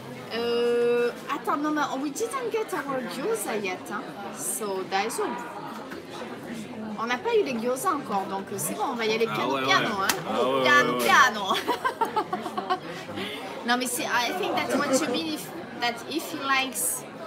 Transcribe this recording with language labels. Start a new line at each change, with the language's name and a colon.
French: Attends, non, mais
English: we didn't get our gyoza yet. Hein. So, that's all.
French: On n'a pas eu les gyoza encore, donc c'est bon, on va y aller piano. Hein. Piano. Non, mais c'est,
English: I think that's what you mean, if he likes